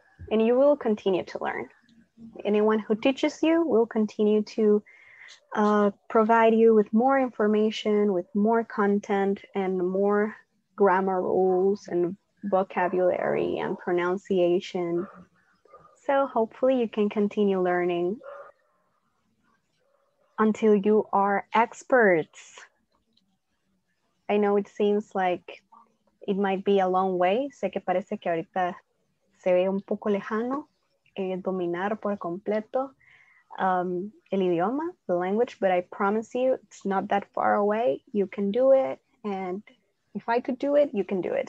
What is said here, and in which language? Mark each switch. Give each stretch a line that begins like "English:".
English: And you will continue to learn. Anyone who teaches you will continue to provide you with more information, with more content and more grammar rules and vocabulary and pronunciation. So hopefully you can continue learning until you are experts. I know it seems like it might be a long way.
Spanish: Sé que parece que ahorita se ve un poco lejano. Dominar por completo el idioma,
English: the language, but I promise you, it's not that far away. You can do it, and if I could do it, you can do it.